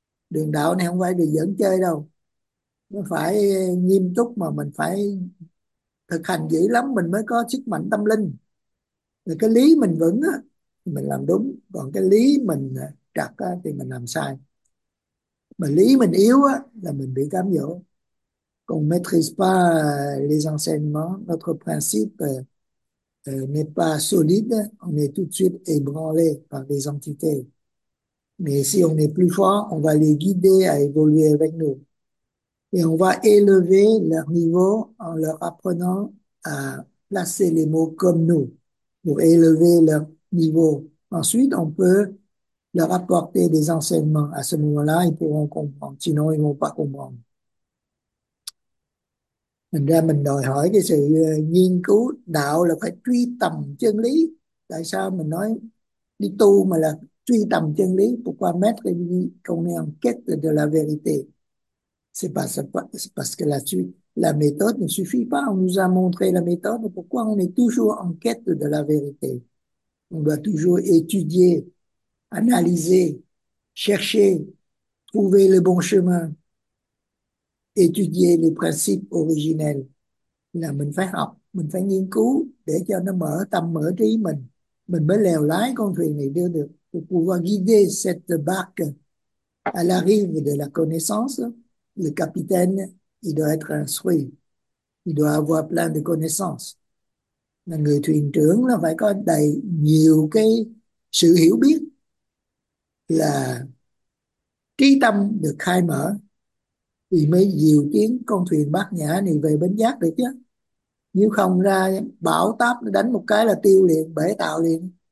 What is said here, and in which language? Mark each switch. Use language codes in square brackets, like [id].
[vi] Đường đạo này không phải đi giỡn chơi đâu, nó phải nghiêm túc, mà mình phải thực hành dữ lắm mình mới có sức mạnh tâm linh. Rồi cái lý mình vững á, mình làm đúng, còn cái lý mình trật á, thì mình làm sai. Mà lý mình yếu á, là mình bị cám dỗ. [fr] Còn maîtrise pas les enseignements, notre principe n'est pas solide, on est tout de suite ébranlé par les entités. Mais si on est plus fort, on va les guider à évoluer avec nous. Et on va élever leur niveau en leur apprenant à placer les mots comme nous, pour élever leur niveau. Ensuite, on peut leur apporter des enseignements. À ce moment-là, ils pourront comprendre. Sinon, ils ne vont pas comprendre. [vi] Thành ra mình đòi hỏi cái sự nghiên cứu đạo là phải truy tầm chân lý. Tại sao mình nói đi tu mà là truy tầm chân lý? [fr] Pourquoi mettre une connaissance de la vérité? C'est parce que la méthode ne suffit pas. On nous a montré la méthode. Pourquoi on est toujours en quête de la vérité? On doit toujours étudier, analyser, chercher, trouver le bon chemin, étudier les principes originels. [vi] Là mình phải học, mình phải nghiên cứu để cho nó mở tâm, mở trí mình mới lèo lái con thuyền này đưa được, [fr] pour pouvoir guider cette barque à la rive de la connaissance. Le capitaine, il doit être instruit, il doit avoir plein de connaissances. [vi] Là người thuyền trưởng là phải có đầy nhiều cái sự hiểu biết, là trí tâm được khai mở thì mới diều tiến con thuyền Bát Nhã này về bến giác được chứ. Nếu không ra bão táp nó đánh một cái là tiêu liền, bể tàu liền.